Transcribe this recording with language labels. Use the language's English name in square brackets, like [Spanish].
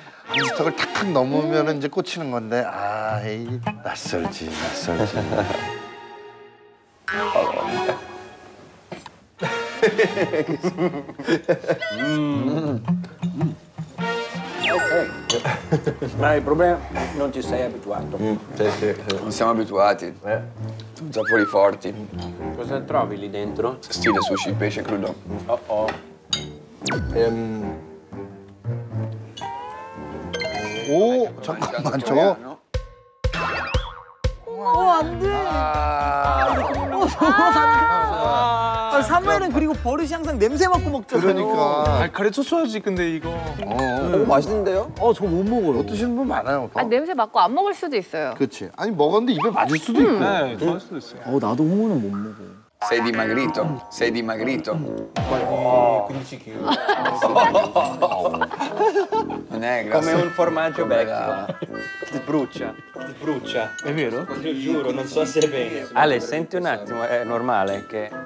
[Korean] 이스톡을 탁 넘으면 이제 꽂히는 건데 아이 낯설지 [Italian] ma il problema non ci sei abituato non siamo abituati sono già fuori forti cosa trovi lì dentro? Stile sushi, pesce crudo [Korean] Oh, 아니, 잠깐만, 저거. 오, 안 돼. 아, 사무엘은 그리고 버릇이 항상 냄새 맡고 먹잖아요. 그러니까. 가래 쳐줘야지, 근데 이거. 맛있는데요? 저 못 먹어요. 못 드시는 분 많아요. 아, 냄새 맡고 안 먹을 수도 있어요. 그렇지. 아니, 먹었는데 입에 맞을 수도 있고. 네, 좋을 수도 있어요. 나도 홍어는 못 먹어. [Italian] Sei dimagrito, sei dimagrito. Quasi 15 kg. Non è grasso. Come un formaggio vecchio. Ti brucia. È vero? Io giuro, non so se è bene. Ale, senti un attimo, è normale che...